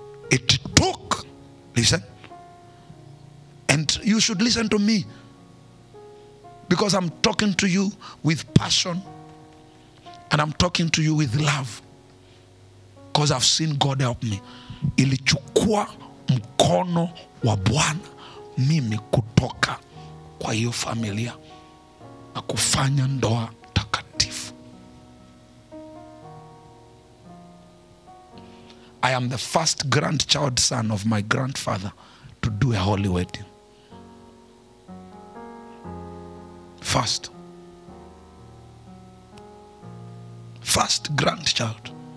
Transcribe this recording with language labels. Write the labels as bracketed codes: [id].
[en] It took, listen, and you should listen to me, because I'm talking to you with passion and I'm talking to you with love, because I've seen God help me. [sw] Ilichukua mkono wa Bwana mimi kutoka kwa hiyo familia na kufanya ndoa takatifu. [en] I am the first grandchild son of my grandfather to do a holy wedding. First grandchild.